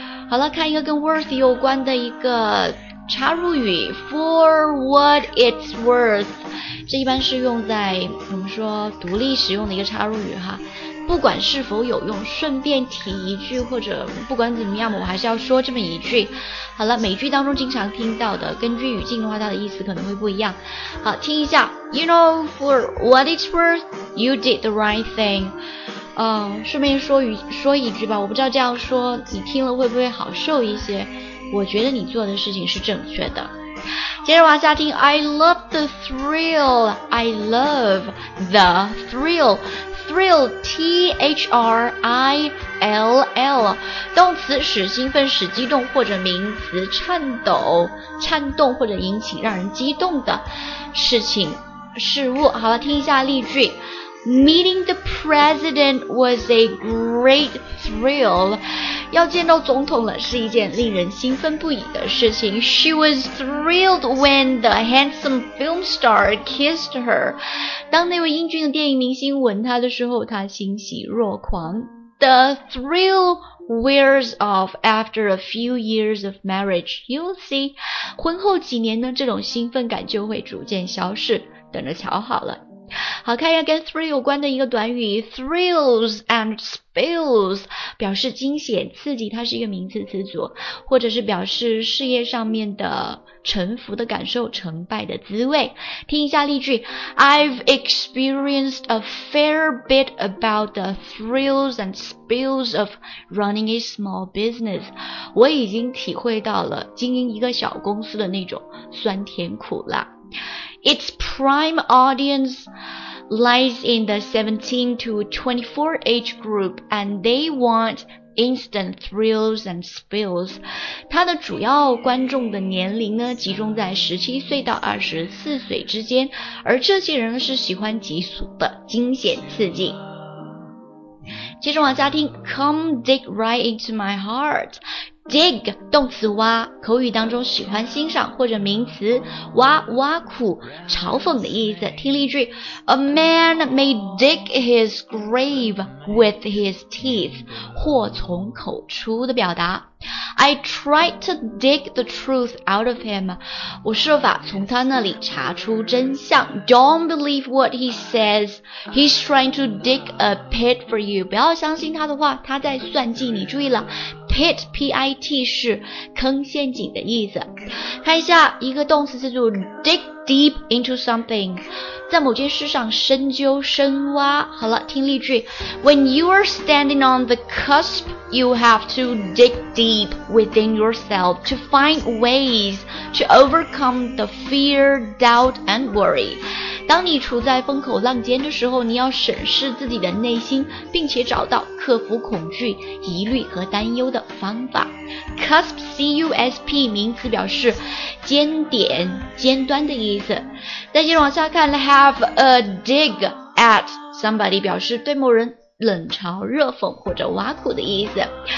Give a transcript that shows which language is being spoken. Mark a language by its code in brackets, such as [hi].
[zh] 好了，看一个跟 worth 有关的一个插入语 , [en] for what it's worth. [zh] 这一般是用在我们说独立使用的一个插入语哈。不管是否有用，顺便提一句，或者不管怎么样，我还是要说这么一句。好了，美剧当中经常听到的，根据语境的话，它的意思可能会不一样。好，听一下 [en] ，You know, for what it's worth, you did the right thing。 [zh] 顺便说一句吧，我不知道这样说你听了会不会好受一些。我觉得你做的事情是正确的。接着往下听 [en] ，I love the thrill。 [zh] Thrill, T-H-R-I-L-L, 动词使兴奋、使激动，或者名词颤抖、颤动或者引起让人激动的事情、事物。好了，听一下例句。 [en] Meeting the president was a great thrill. [zh] 要见到总统了是一件令人兴奋不已的事情。 [en] She was thrilled when the handsome film star kissed her. [zh] 当那位英俊的电影明星吻她的时候，她欣喜若狂。 [en] The thrill wears off after a few years of marriage. You'll see. [zh] 婚后几年呢，这种兴奋感就会逐渐消逝。等着瞧好了。好，看一下跟 thrill 有关的一个短语 [en] thrills and spills， [zh] 表示惊险、刺激，它是一个名词词组，或者是表示事业上面的沉浮的感受、成败的滋味。 [en] 听一下例句 ，I've experienced a fair bit about the thrills and spills of running a small business， [zh] 我已经体会到了经营一个小公司的那种酸甜苦辣。 [en] Its prime audience lies in the 17 to 24 age group and they want instant thrills and spills. [zh] 它的主要观众的年龄呢，集中在17岁到24岁之间，而这些人是喜欢急速的惊险刺激。接着往下听 [en] Come dig right into my heart。 [zh] Dig 动词挖，口语当中喜欢欣赏，或者名词挖，挖苦嘲讽的意思。听例句， [en] A man may dig his grave with his teeth， [zh] 祸从口出的表达。 [en] I tried to dig the truth out of him. [zh] 我设法从他那里查出真相。 [en] Don't believe what he says. He's trying to dig a pit for you. [zh] 不要相信他的话，他在算计你。注意了， pit, P-I-T 是坑陷阱的意思。看一下一个动词词组， [en] dig deep into something. [zh] 在某件事上深究深挖。好了，听例句， [en] When you are standing on the cusp, you have to dig deep within yourself to find ways to overcome the fear, doubt and worry. [zh] 当你处在风口浪尖的时候，你要审视自己的内心，并且找到克服恐惧、疑虑和担忧的方法。 Cusp, C-U-S-P, 名词表示尖点、尖端的意思。再接着往下看， [en] Have a dig at somebody [zh] 表示对某人冷嘲热讽或者挖苦的意思。